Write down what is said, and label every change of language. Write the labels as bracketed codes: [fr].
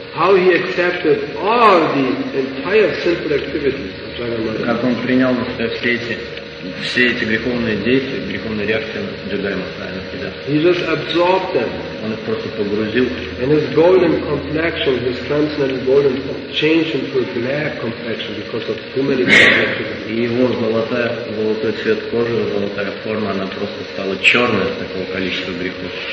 [en] How he accepted all the entire sinful activities of Jagannatha. [ru] Как он принял на себя все эти греховные действия, греховные реакции на Джагай Махарадж на себя. [en] He just absorbed them. [ru] Он их просто погрузил. [en] And his golden complexion, his transcendental golden changed into a black complexion because of too many complexions. [ru] И его золотой цвет кожи, золотая форма, она просто стала черной от такого количества грехов.